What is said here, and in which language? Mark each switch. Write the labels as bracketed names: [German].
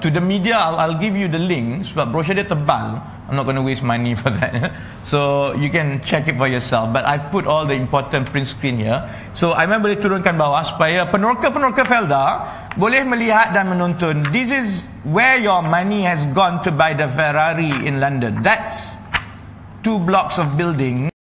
[English] To the media, I'll give you the link [Malay] sebab brochure dia tebal. [English] I'm not going to waste money for that. So you can check it for yourself. But I put all the important print screen here. So I remember [Malay] boleh turunkan bawah supaya penerka-penerka Felda boleh melihat dan menonton. [English] This is where your money has gone to buy the Ferrari in London. That's two blocks of building.